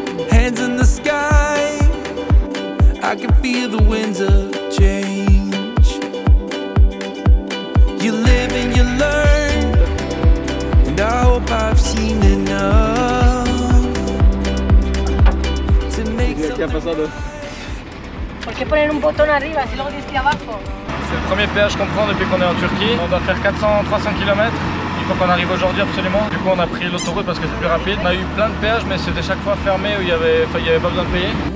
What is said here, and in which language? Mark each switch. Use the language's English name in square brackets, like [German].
[English] Hands in the sky, I can feel the winds of change. You live and you learn, and I hope I've seen enough to make something. [Spanish] ¿Qué ha pasado? ¿Por qué poner un botón arriba si luego dice abajo? [French] C'est le premier péage qu'on prend depuis qu'on est en Turquie. On doit faire 400-300 km. Il faut qu'on arrive aujourd'hui absolument. Du coup on a pris l'autoroute parce que c'est plus rapide. On a eu plein de péages mais c'était chaque fois fermé où il n'y avait pas besoin de payer.